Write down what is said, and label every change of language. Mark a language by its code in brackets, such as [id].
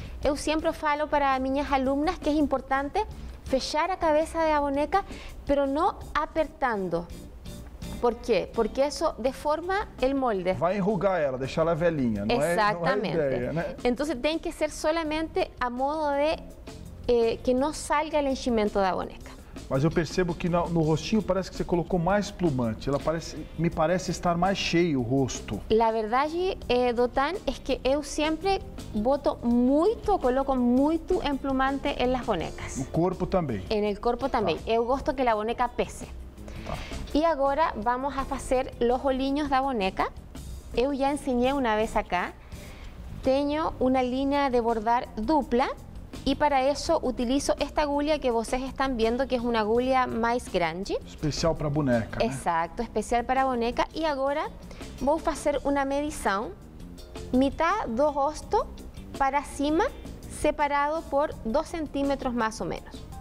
[es] Yo siempre falo para mis alumnas que es importante fechar a cabeza de la boneca, pero no apertando. ¿Por qué? Porque eso deforma el molde. Va a enrugar ella, dejarla velinha. No exactamente. Es, no es idea, ¿no? Entonces tiene que ser solamente a modo de que no salga el enchimiento de la boneca. [pt] Mas eu percebo que no rostinho parece que você colocou mais plumante. Ela parece, me parece estar mais cheio o rosto. La verdade, Dotan, es que eu sempre boto muito, coloco muito emplumante en las bonecas. O corpo também. [es] En el cuerpo también. Tá. [pt] Eu gosto que la boneca pese. Tá. E agora vamos a fazer los olhinhos da boneca. Eu já ensinei uma vez acá. Tenho uma linha de bordar dupla. [es] Y para eso utilizo esta agulha que ustedes están viendo, que es una agulha más grande. [pt] Especial para boneca. [es] Exacto, [pt] né? Especial para boneca. [es] Y ahora voy a hacer una medición. Mitad do rosto para cima, separado por 2 centímetros más o menos.